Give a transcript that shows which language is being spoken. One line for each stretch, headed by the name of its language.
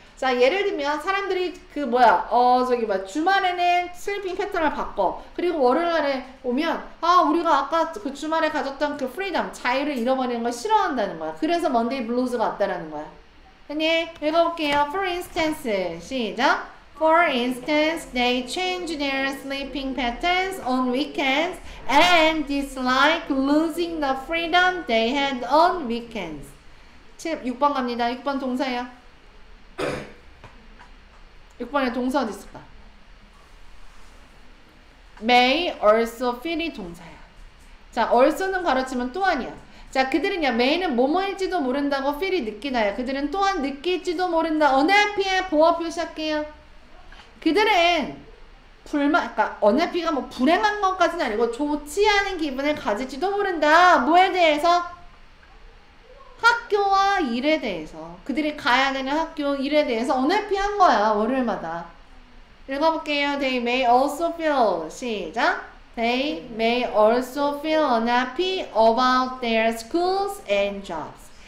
Korean: 자, 예를 들면 사람들이 주말에는 슬리핑 패턴을 바꿔. 그리고 월요일에 오면 우리가 아까 그 주말에 가졌던 그 프리덤, 자유를 잃어버리는 걸 싫어한다는 거야. 그래서 먼데이 블루즈가 왔다라는 거야. 흔히 읽어볼게요.
English: For instance,
Korean: 시작.
English: For instance, they change their sleeping patterns on weekends and dislike losing the freedom they had on weekends.
Korean: 6번 갑니다. 6번 동사예요. 6번에 동사 어디 있을까? May also feel이 동사야. 자, also는 가르치면 또한이야. 자, 그들은요, may는 뭐뭐일지도 모른다고 feel이 느끼나요. 그들은 또한 느낄지도 모른다. unhappy에 보어 표시할게요. 그들은 unhappy가 불행한 것까지는 아니고 좋지 않은 기분을 가질지도 모른다. 뭐에 대해서? 학교와 일에 대해서, 그들이 가야 되는 학교 일에 대해서 unhappy한 거야, 월요일마다. 읽어볼게요.
English: They may also feel,
Korean: 시작.
English: They may also feel unhappy about their schools and jobs.